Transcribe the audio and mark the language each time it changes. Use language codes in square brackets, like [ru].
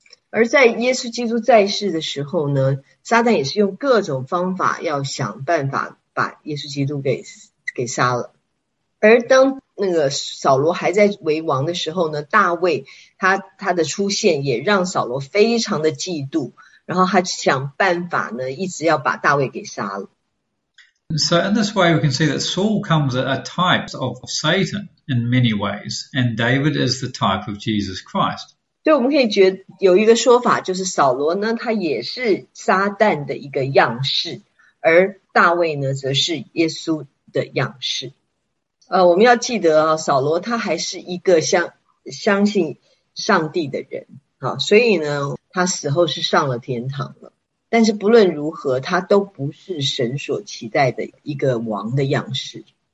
[zh] 而在耶稣基督在世的时候呢，撒旦也是用各种方法要想办法把耶稣基督给杀了。而当那个扫罗还在为王的时候呢，大卫他的出现也让扫罗非常的嫉妒，然后他想办法呢一直要把大卫给杀了。 [en] So in this way we can see that Saul comes a type of Satan in many ways, and David is the type of Jesus Christ. [zh] 所以我们可以觉得有一个说法，就是扫罗呢他也是撒旦的一个样式，而大卫呢则是耶稣的样式。我们要记得啊，扫罗他还是一个相信上帝的人啊，所以呢他死后是上了天堂了，但是不论如何他都不是神所期待的一个王的样式。